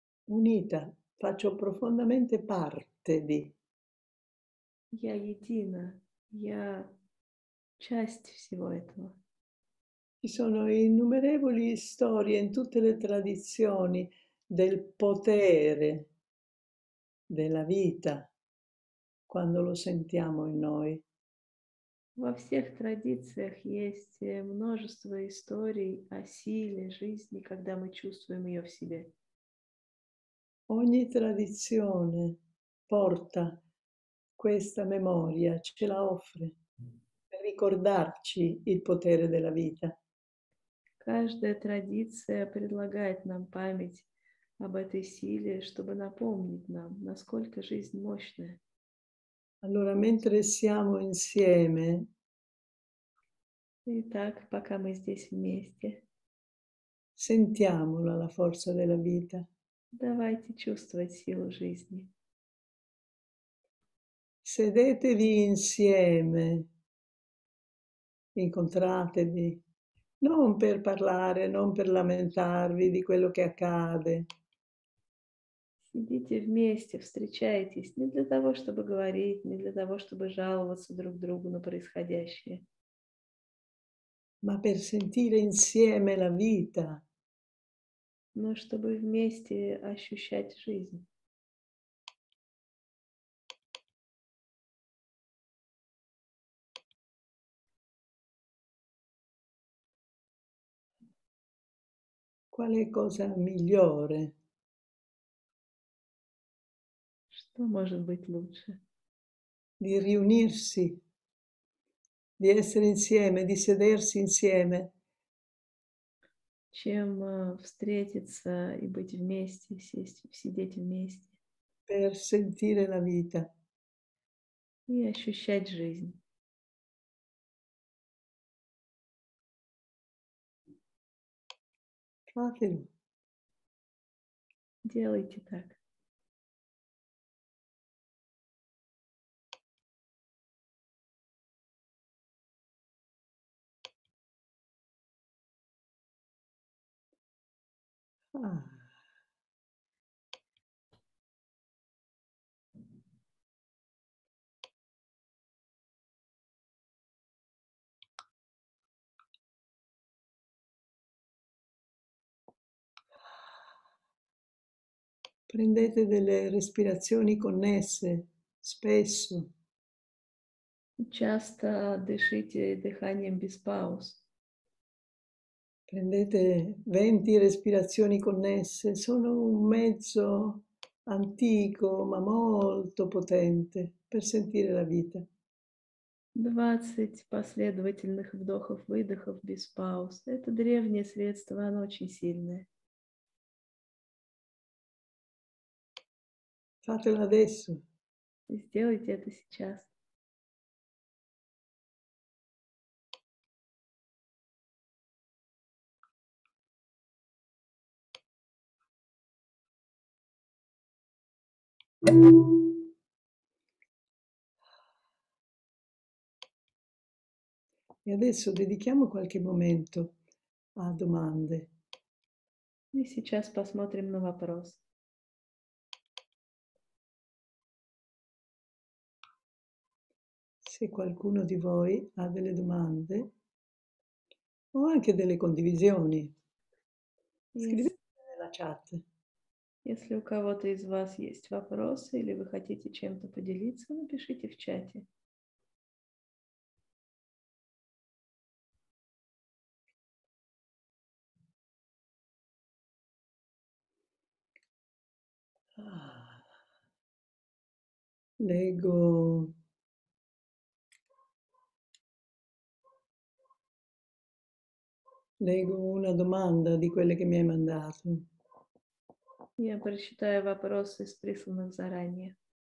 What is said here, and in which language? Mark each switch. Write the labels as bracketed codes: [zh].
[it] Unita, faccio profondamente parte di. [ru] Я едина, я часть всего этого. [it] Ci sono innumerevoli storie in tutte le tradizioni del potere della vita quando lo sentiamo in noi. [ru] Во всех традициях есть множество историй о силе жизни, когда мы чувствуем ее в себе. [it] Ogni tradizione porta questa memoria, ce la offre per ricordarci il potere della vita. [ru] Каждая традиция предлагает нам память об этой силе, чтобы напомнить нам, насколько жизнь мощная. [it] Allora, mentre siamo insieme, [ru] Итак, пока мы здесь вместе, [it] sentiamola la forza della vita. [ru] давайте чувствовать силу жизни. [it] Sedetevi insieme, incontratevi, non per parlare, non per lamentarvi di quello che accade. [ru] Сидите вместе, встречайтесь, не для того, чтобы говорить, не для того, чтобы жаловаться друг другу на происходящее. [it] Ma per sentire insieme la vita. [ru] Но чтобы вместе ощущать жизнь. [it] Qual è cosa migliore? [ru] Что может быть лучше? [it] Di riunirsi, di essere insieme, di sedersi insieme. [ru] Чем встретиться и быть вместе, сидеть вместе. [it] Per sentire la vita. [ru] И ощущать жизнь. [it] Fatelo. [ru] Делайте так. [it] Prendete delle respirazioni connesse, spesso. [ru] Часто дышите дыханием без пауз. [it] Prendete 20 respirazioni connesse, sono un mezzo antico ma molto potente per sentire la vita. [ru] 20 последовательных вдохов-выдохов без пауз. Это древнее средство, оно очень сильное. [it] Fatelo adesso. [ru] Сделайте это сейчас. [it] E adesso dedichiamo qualche momento a domande. [ru] Мы сейчас посмотрим на вопрос. [it] Se qualcuno di voi ha delle domande o anche delle condivisioni, scrivete nella chat. [ru] Если у кого-то из вас есть вопросы или вы хотите чем-то поделиться, напишите в чате. [it] Leggo. Leggo una domanda di quelle che mi hai mandato. [ru] Я прочитаю вопросы из присланных заранее.